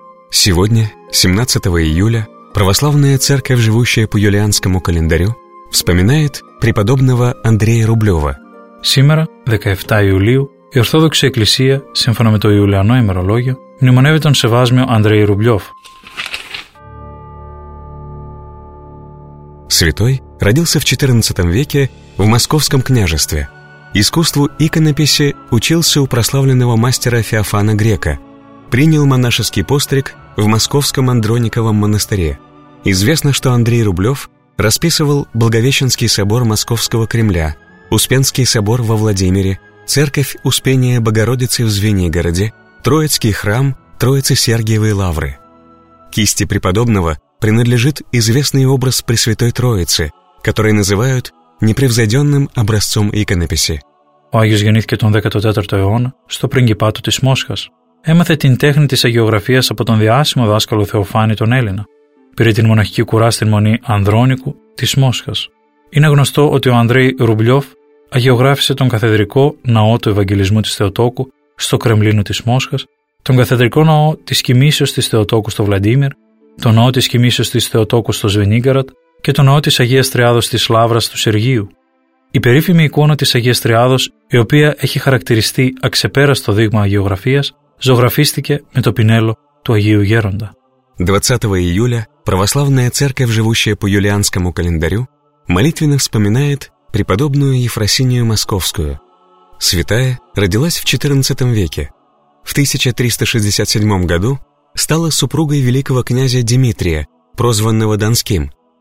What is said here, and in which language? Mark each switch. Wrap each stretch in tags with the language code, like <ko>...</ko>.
<ru>Сегодня, 17 июля, православная церковь, живущая по юлианскому календарю, вспоминает преподобного Андрея Рублева. Сегодня,</ru> <el>17 июля, η Ορθόδοξη Εκκλησία, σύμφωνα με το Ιουλιανό ημερολόγιο, μνημονεύει τον Σεβάσμιο Ανδρέη Ρουμπλιόφ.</el> <ru>Святой родился в 14 веке в Московском княжестве. Искусству иконописи учился у прославленного мастера Феофана Грека. Принял монашеский постриг в Московском Андрониковом монастыре. Известно, что Андрей Рублев расписывал Благовещенский собор Московского Кремля, Успенский собор во Владимире, Церковь Успения Богородицы в Звенигороде, Троицкий храм, Троице-Сергиевые лавры. Кисти преподобного принадлежит известный образ Пресвятой Троицы, который называют непревзойденным образцом иконописи.</ru> <el>Ο Άγιος γεννήθηκε τον 14ο αιώνα στο πριγκιπάτο της Μόσχας. Έμαθε την τέχνη της αγιογραφίας από τον διάσημο δάσκαλο Θεοφάνη τον Έλληνα. Πήρε την μοναχική κουρά στην μονή Ανδρόνικου της Μόσχας. Είναι γνωστό ότι ο Ανδρέη Ρουμπλιόφ αγιογράφησε τον καθεδρικό ναό του Ευαγγελισμού της Θεοτόκου στο Κρεμλίνο της Μόσχας, τον καθεδρικό ναό της Κοιμήσεως της Θεοτόκου στο Βλαντίμιρ, τον ναό της Κοιμήσεως της Θεοτόκου στο Σβενίγκαρατ και τον ναό της Αγίας Τριάδος της Λαύρας του Σεργίου. Η περίφημη εικόνα της Αγίας Τριάδος, η οποία έχει χαρακτηριστεί αξεπέραστο δείγμα αγιογραφίας, ζωγραφίστηκε με το πινέλο του Αγίου Γέροντα.</el> <ru>20</ru> <el>Ιουλίου,</el> <ru>Православная Церковь, живущая по Юлианскому календарю, молитвенно вспоминает преподобную Ефросинию Московскую. Святая родилась в 14 веке. В 1367 году стала супругой великого князя Дмитрия, прозванного Донским.</ru>